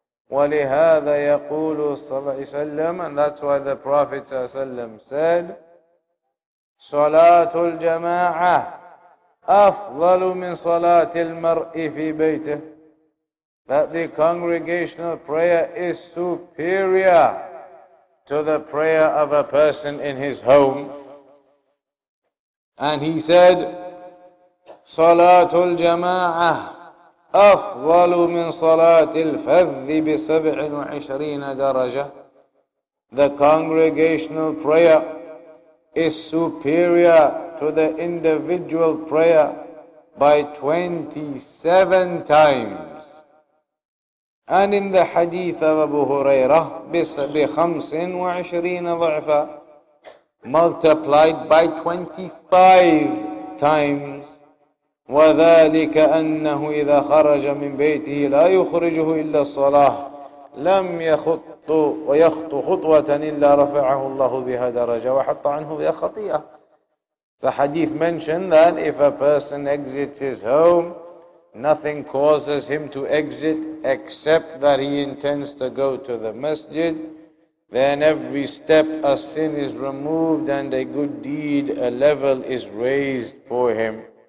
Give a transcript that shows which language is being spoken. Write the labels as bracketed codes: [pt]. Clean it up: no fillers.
[ar] وَلِهَذَا يَقُولُ صَلَّى اللَّهُ عَلَيْهِ وَسَلَّمَ. [en] And that's why the Prophet ﷺ said, [ar] صَلَاةُ الْجَمَاعَةِ أَفْضَلُ مِنْ صَلَاةِ الْمَرْءِ فِي بَيْتِهِ. [en] That the congregational prayer is superior to the prayer of a person in his home. And he said, [ar] صلاة الجماعة أفضل من صلاة الفذ بسبع وعشرين درجة. [en] The congregational prayer is superior to the individual prayer by 27 times. And in the hadith of Abu Hurairah, [ar] بخمس وعشرين ضعفا, [en] multiplied by 25 times. [ar] وذلك أنه إذا خرج من بيته لا يخرجه إلا الصلاة لم يخط يخطو ويخطو خطوة إلا رفعه الله بها درجة وحط عنه بها خطيئة. [en] The hadith mentioned that if a person exits his home, nothing causes him to exit except that he intends to go to the masjid, then every step a sin is removed and a good deed, a level is raised for him.